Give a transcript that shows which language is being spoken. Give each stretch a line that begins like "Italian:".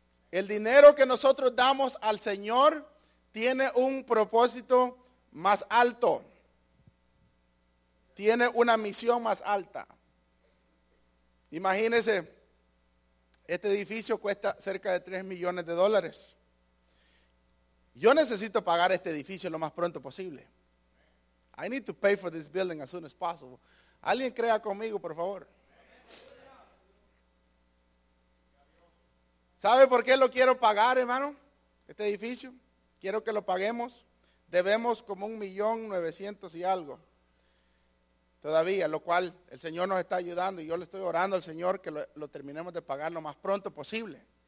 Spanish: El dinero que nosotros damos al Señor tiene un propósito más alto. Tiene una misión más alta. Imagínense, este edificio cuesta cerca de $3,000,000. Yo necesito pagar este edificio lo más pronto posible.
English: I need to pay for this building as soon as possible.
Spanish: Alguien crea conmigo, por favor. ¿Sabe por qué lo quiero pagar, hermano? Este edificio. Quiero que lo paguemos. Debemos como $1,900,000. Todavía, lo cual el Señor nos está ayudando y yo le estoy orando al Señor que lo terminemos de pagar lo más pronto posible.